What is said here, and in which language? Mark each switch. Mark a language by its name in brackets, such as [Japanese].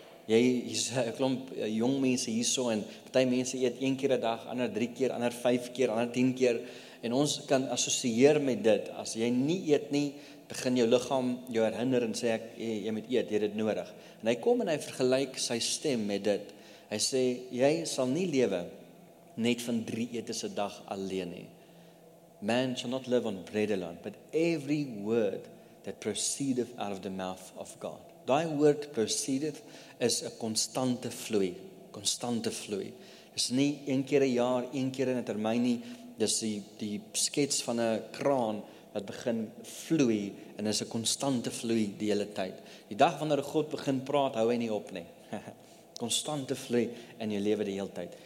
[Afrikaans] Jy is 'n klomp jong mense hierso en party mense eet een keer 'n dag, ander 3 keer, ander 5 keer, ander 10 keer en ons kan assosieer met dit. As jy nie eet nie, begin jou liggaam jou herinner en sê jy moet eet, jy het dit nodig. En hy kom en hy vergelyk sy stem met dit. Hy sê jy sal nie lewe net van 3 etes 'n dag alleen nie. [English] Man shall not live on bread alone, but every word that proceedeth out of the mouth of God. [Afrikaans] Daai woord proceedeth is 'n konstante vloei. Konstante vloei. Dis nie een keer 'n jaar, een keer in 'n termyn nie. Dis die skets van 'n kraan wat begin vloei en is 'n konstante vloei die hele tyd. Die dag wanneer God begin praat, hou hy nie op nie. Konstante vloei in jou lewe die hele tyd.